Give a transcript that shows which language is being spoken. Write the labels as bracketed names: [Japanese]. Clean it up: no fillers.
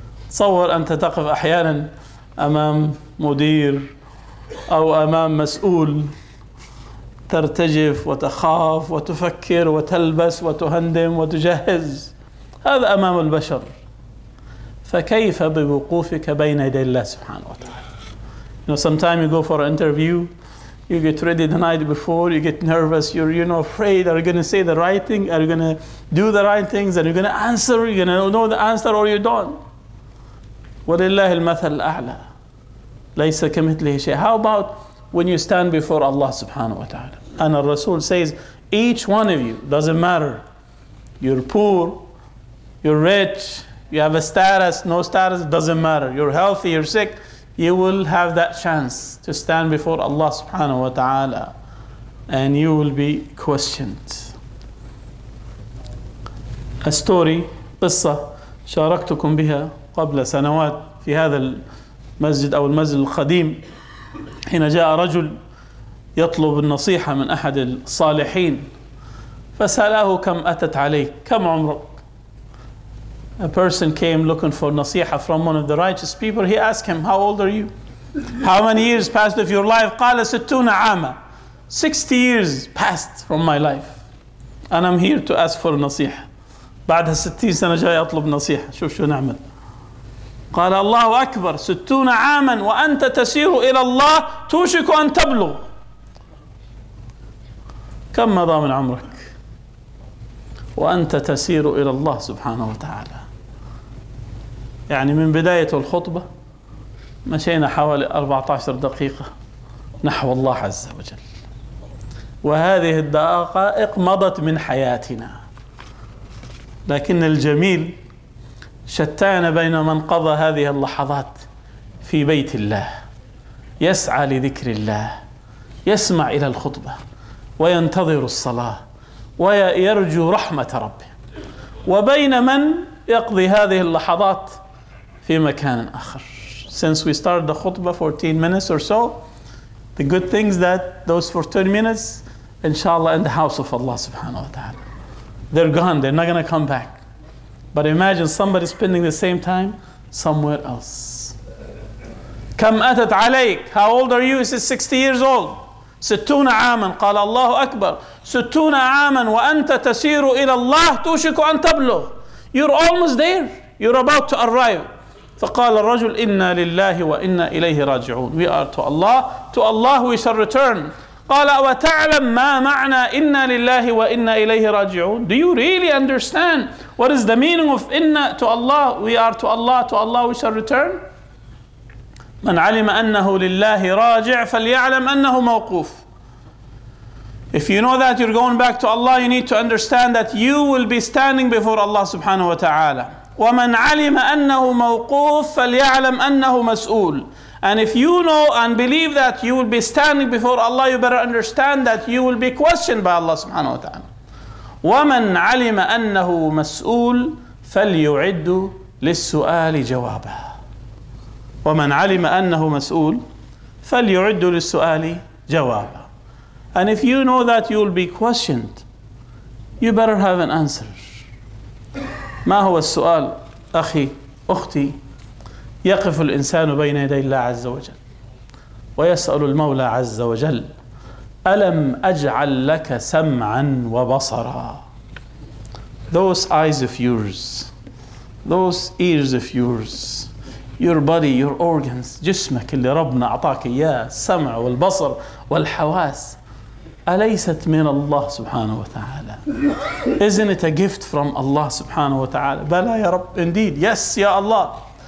[Arabic] تصور أن تقف أحيانا أمام مدير أو أمام مسؤول ترتجف وتخاف وتفكر وتلبس وتهندم وتجهز، هذا أمام البشر، فكيف بوقوفك بين يدي الله سبحانه وتعالى؟ [English] You know, sometimes you go for an interview, you get ready the night before, you get nervous, you're you know afraid, are you going to say the right thing, are you going to do the right things, are you going to answer, are you going to know the answer or you don't. [Arabic] ولله المثل الأعلى، ليس كمثله شيء. [English] How about when you stand before Allah subhanahu wa ta'ala? And the Rasul says, each one of you, doesn't matter, you're poor, you're rich, you have a status, no status, doesn't matter, you're healthy, you're sick, you will have that chance to stand before Allah subhanahu wa ta'ala and you will be questioned. A story, [Arabic] qissa, sharaktukum biha qabla sanawat fi hadha al-masjid aw al-masjid al-qadim. حين جاء رجل يطلب النصيحة من أحد الصالحين فسأله كم أتت عليك، كم عمرك؟ [English] A person came looking for نصيحة from one of the righteous people. He asked him, how old are you? How many years passed of your life? [Arabic] قال 60 عاما. [English] 60 years passed from my life and I'm here to ask for نصيحة. [Arabic] بعدها 60 سنة جاي أطلب نصيحة، شوف شو نعمل. قال الله أكبر، 60 عاما وأنت تسير إلى الله توشك أن تبلغ. كم مضى من عمرك وأنت تسير إلى الله سبحانه وتعالى؟ يعني من بداية الخطبة مشينا حوالي 14 دقيقة نحو الله عز وجل، وهذه الدقائق مضت من حياتنا، لكن الجميل شتان بين من قضى هذه اللحظات في بيت الله يسعى لذكر الله، يسمع إلى الخطبة وينتظر الصلاة ويرجو رحمة ربه، وبين من يقضي هذه اللحظات في مكان آخر. [English] Since we started the khutbah 14 minutes or so, the good things that those 14 minutes, inshallah, in the house of Allah subhanahu wa ta'ala. They're gone, they're not gonna come back. But imagine somebody spending the same time somewhere else. [Arabic] كم أتت عليك؟ [English] How old are you? He says 60 years old. 60 عاما. [Arabic] قال الله أكبر. 60 عاما وأنت تسير إلى الله توشك أن تبلغ. [English] You're almost there. You're about to arrive. [Arabic] فقال الرجل إنا لله وإنا إليه راجعون. [English] We are to Allah. To Allah we shall return. [Arabic] قال وتعلم ما معنى إنا لله وإنا إليه راجعون. [English] Do you really understand what is the meaning of إنا to Allah? We are to Allah. To Allah we shall return. [Arabic] من علم أنه لله راجع فليعلم أنه موقوف. [English] If you know that you're going back to Allah, you need to understand that you will be standing before Allah subhanahu wa ta'ala. [Arabic] ومن علم أنه موقوف فليعلم أنه مسؤول. [English] And if you know and believe that you will be standing before Allah, you better understand that you will be questioned by Allah subhanahu wa ta'ala. [Arabic] ومن علم أنه مسؤول فليعد للسؤال جوابه. ومن علم أنه مسؤول فليعد للسؤال جوابا. [English] And if you know that you will be questioned, you better have an answer. [Arabic] ما هو السؤال أخي أختي؟ يقف الإنسان بين يدي الله عز وجل ويسأل المولى عز وجل ألم أجعل لك سمعا وبصرا. [English] Those eyes of yours, those ears of yours, your body, your organs, [Arabic] جسمك اللي ربنا أعطاك إياه، السمع والبصر والحواس، أليست من الله سبحانه وتعالى؟ [English] Isn't it a gift from Allah [Arabic] سبحانه وتعالى؟ بلى يا رب، [English] indeed, yes [Arabic] يا الله.